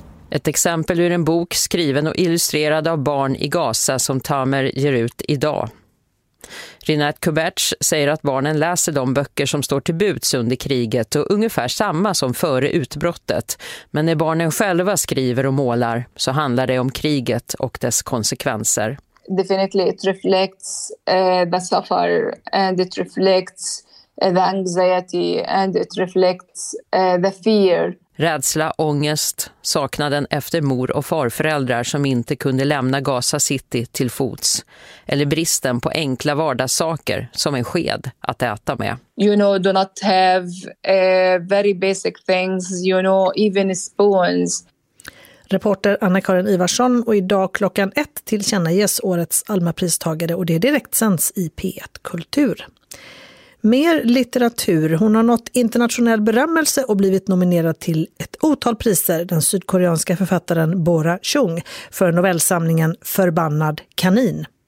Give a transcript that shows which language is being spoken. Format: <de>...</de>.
<sv>Ett exempel ur en bok skriven och illustrerad av barn i Gaza som Tamer ger ut idag. Rinat Kubac säger att barnen läser de böcker som står till buds under kriget och ungefär samma som före utbrottet. Men när barnen själva skriver och målar så handlar det om kriget och dess konsekvenser.</sv> <en>Definitely it reflects the suffer and it reflects the anxiety and it reflects the fear.</en> <sv>Rädsla, ångest, saknaden efter mor och farföräldrar som inte kunde lämna Gaza City till fots. Eller bristen på enkla vardagssaker som en sked att äta med.</sv> <en>You know, do not have very basic things, you know, even spoons.</en> <sv>Reporter Anna-Karin Ivarsson, och idag klockan 1 tillkännages årets Alma-pristagare och det direkt sänds i P1 Kultur. Mer litteratur. Hon har nått internationell berömmelse och blivit nominerad till ett otal priser, den sydkoreanska författaren Bora Chung, för novellsamlingen Förbannad kanin.</sv>